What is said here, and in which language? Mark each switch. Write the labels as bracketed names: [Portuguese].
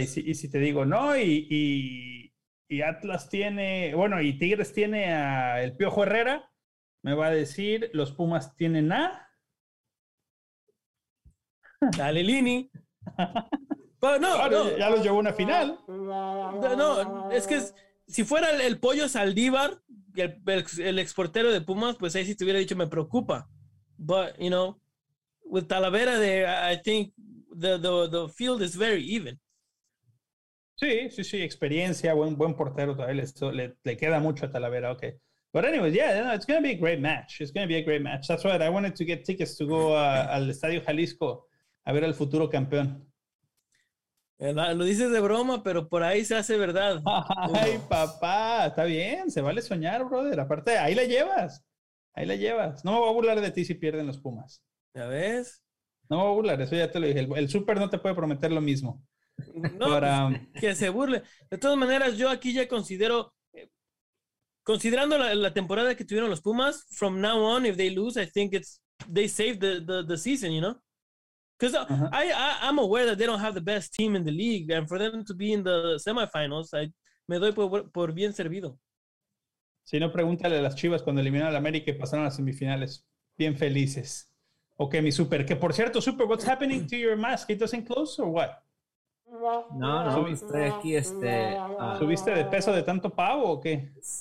[Spanish] Y si te digo, no, y Atlas tiene, bueno, y Tigres tiene a el Piojo Herrera, me va a decir, los Pumas tienen a... Dale, Lini. Pero no, claro, no. Ya los llevó a una final. No, es que... Si fuera el Pollo Saldívar, el exportero de Pumas, pues ahí sí te hubiera dicho, me preocupa. [English] But, you know, with Talavera there, I think the field is very even. [Spanish] Sí, experiencia, buen portero todavía. Le queda mucho a Talavera, okay. [English] But anyways, yeah, no, it's going to be a great match. It's going to be a great match. That's right, I wanted to get tickets to go [Spanish] al Estadio Jalisco a ver al futuro campeón. Lo dices de broma, pero por ahí se hace verdad. Ay, papá, está bien, se vale soñar, brother. Aparte, ahí la llevas. No me voy a burlar de ti si pierden los Pumas. ¿Ya ves? No me voy a burlar, eso ya te lo dije. El súper no te puede prometer lo mismo. No, pero, que se burle. De todas maneras, yo aquí ya considero, considerando la temporada que tuvieron los Pumas, [English] from now on, if they lose, I think it's they saved the season, you know? Because I'm aware that they don't have the best team in the league, and for them to be in the semifinals, I [Spanish] me doy por bien servido. Si no, pregúntale a las Chivas cuando eliminaron al América y pasaron a las semifinales, bien felices. Okay, mi super. Que por cierto, super, [English] what's happening to your mask? It doesn't close or what? [Spanish] No, estoy aquí, ¿Subiste de peso de tanto pavo o qué?